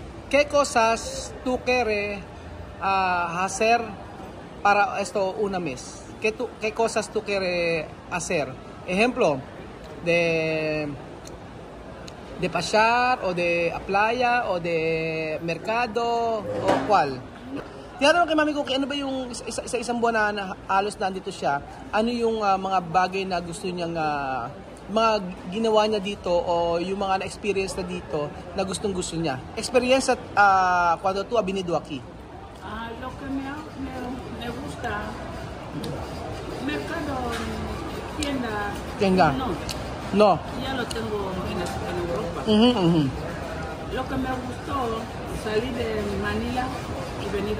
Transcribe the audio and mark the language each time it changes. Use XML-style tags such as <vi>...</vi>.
<es>¿Qué cosas tú quieres hacer para esto una mes? ¿Qué cosas tú quieres hacer? Ejemplo, de pasear, o de a playa, o de mercado, o cuál.</es> <tl>Tinatanong kay Mami Cookie, ano ba yung sa isang buwan na halos nandito siya, ano yung mga bagay na gusto niyang mga ginawa niya dito o yung mga na-experience na dito na gustong gusto niya?</tl> <es>Experience at cuando tú has venido aquí. Lo que me gusta, mercado, tienda. No. Ya lo tengo en Europa. Uh-huh, uh-huh. Lo que me gustó, salí de Manila. Venir</es>